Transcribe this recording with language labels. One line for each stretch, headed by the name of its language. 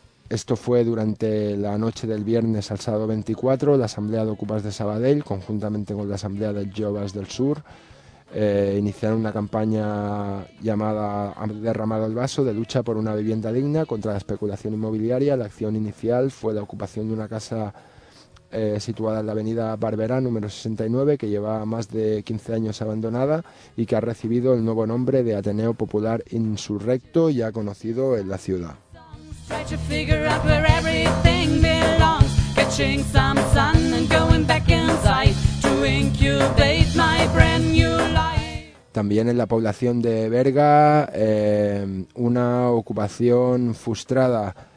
Spanish: Esto fue durante la noche del viernes al sábado 24, la Asamblea de Ocupas de Sabadell, conjuntamente con la Asamblea de Joves del Sur, iniciaron una campaña llamada Ha Derramado el Vaso, de lucha por una vivienda digna contra la especulación inmobiliaria. La acción inicial fue la ocupación de una casa situada en la avenida Barberá número 69, que lleva más de 15 años abandonada y que ha recibido el nuevo nombre de Ateneo Popular Insurrecto, ya conocido en la ciudad.
English: Try to figure out where everything belongs, catching some sun and going back inside to incubate my brand new life.
Spanish: También en la población de Berga, una ocupación frustrada.